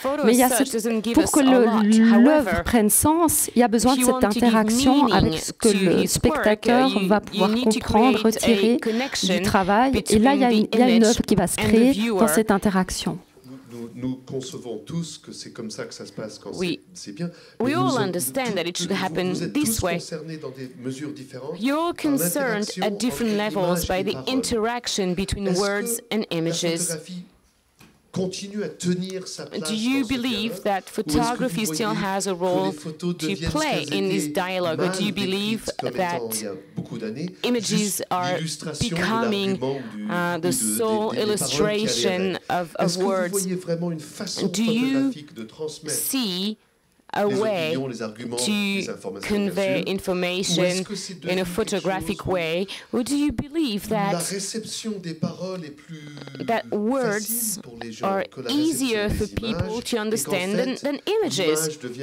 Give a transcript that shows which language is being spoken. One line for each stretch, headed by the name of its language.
French: Mais pour que l'œuvre prenne sens, il y a besoin de cette interaction avec ce que le spectateur va pouvoir comprendre, retirer du travail. Et là, il y a une œuvre qui va se créer dans cette interaction. Nous concevons tous que c'est comme ça que ça se passe quand c'est bien.
English: We all understand that it should happen this way.
French: Vous êtes tous concernés dans des mesures différentes.
English: You're concerned at different levels by the interaction between words and images.
French: Continue à tenir sa place.
English: Do you believe that photography still has a role to play in this dialogue? Or do you believe that images are becoming the sole illustration of words?
French: Est-ce que vous voyez vraiment une façon photographique de transmettre?
English: See a way to convey information in a photographic way, or do you believe that that words are easier for people to understand than images?